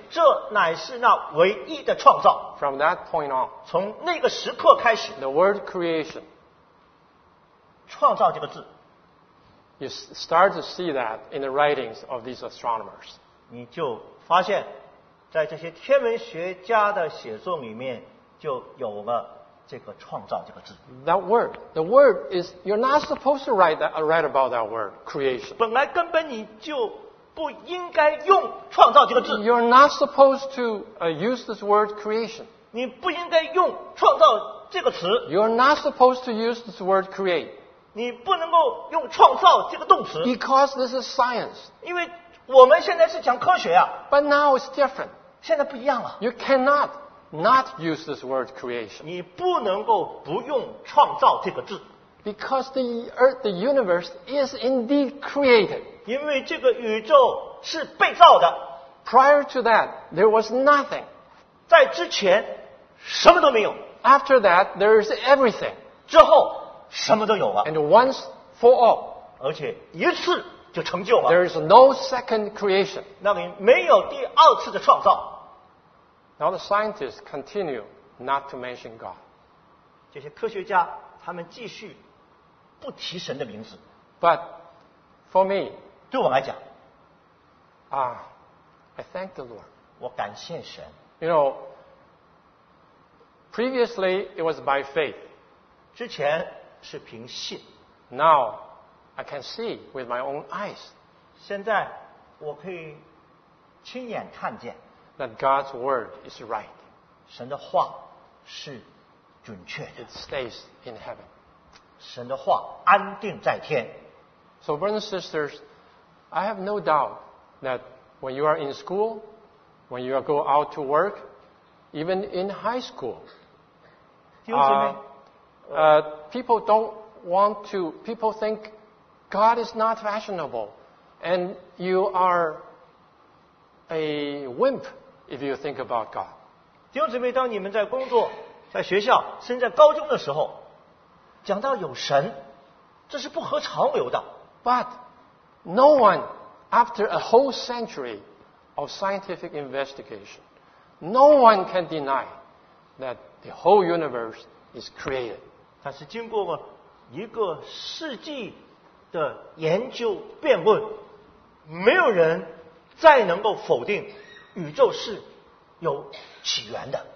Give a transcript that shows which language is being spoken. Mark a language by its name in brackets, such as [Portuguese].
[Chinese] 这乃是那唯一的创造。 [English] From that point on. [Chinese] 从那个时刻开始。 [English] The word creation. [Chinese] 创造这个字。 [English] You start to see that in the writings of these astronomers. [Chinese] 你就发现在这些天文学家的写作里面就有了这个创造这个字。 [English] That word. The word is, you're not supposed to write about that word. Creation. [Chinese] 本来根本你就不应该用创造这个字。 [English] You're not supposed to use this word creation. [Chinese] 你不应该用创造这个词。 [English] You're not supposed to use this word create. [Chinese] 你不能够用创造这个动词。 [English] Because this is science. [Chinese] 因为我们现在是讲科学啊。 [English] But now it's different. [Chinese] 现在不一样了。 [English] You cannot not use this word creation. [Chinese] 你不能够不用创造这个字。 [English] Because the earth, the universe is indeed created. [Chinese] 因为这个宇宙是被造的。 [English] Prior to that, there was nothing. [Chinese] 在之前什么都没有。 [English] After that, there is everything. [Chinese] 之后什么都有了。 [English] And once for all. [Chinese] 而且一次就成就了。 [English] There is no second creation. [Chinese] 那里没有第二次的创造。 [English] Now the scientists continue not to mention God. [Chinese] 这些科学家他们继续不提神的名字。 [English] But for me, [Chinese] 对我来讲 [English] 啊、I thank the Lord. [Chinese] 我感谢神。 [English] You know, previously it was by faith. [Chinese] 之前是凭信。 [English] Now, I can see with my own eyes. [Chinese] 现在我可以亲眼看见。 [English] That God's word is right. [Chinese] 神的话是准确的。 [English] It stays in heaven. [Chinese] 神的话安定在天。 [English] So, brothers and sisters, I have no doubt that when you are in school, when you go out to work, even in high school, people think God is not fashionable, and you are a wimp if you think about God. [Chinese] 弟兄姊妹，当你们在工作、在学校、甚至在高中的时候，讲到有神，这是不合常流的。 [English] But no one, after a whole century of scientific investigation, no one can deny that the whole universe is created. [Chinese] 但是经过一个世纪的研究辩论，没有人再能够否定宇宙是有起源的。